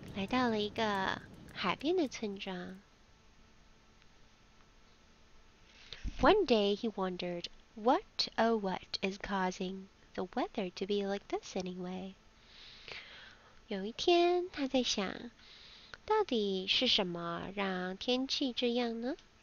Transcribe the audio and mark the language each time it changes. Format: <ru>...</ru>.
<zh>洗干净了，来到了一个海边的村庄。</zh> <en>One day he wondered, what oh what is causing the weather to be like this anyway?</en> <zh>有一天他在想，到底是什么让天气这样呢？</zh>